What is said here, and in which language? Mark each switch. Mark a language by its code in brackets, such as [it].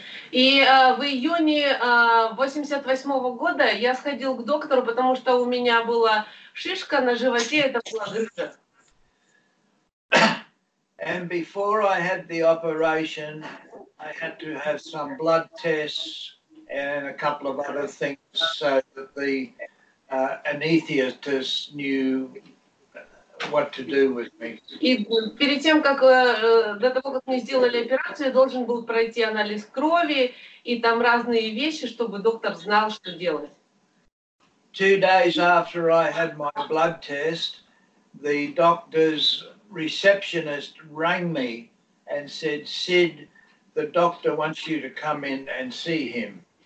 [ru] И в июне 88 года я сходил к доктору, потому что у меня была шишка на животе, это была грыжа. [en] And before I had the operation, I had to have some blood tests and a couple of other things so that the anesthetist knew what to do with me. [ru] И перед тем, как до того, как мне сделали операцию, я должен был пройти анализ крови и там разные вещи, чтобы доктор знал, что делать. [en] 2 days after I had my blood test, the doctor's receptionist rang me and said, "Sid, the doctor wants you to come in and see him."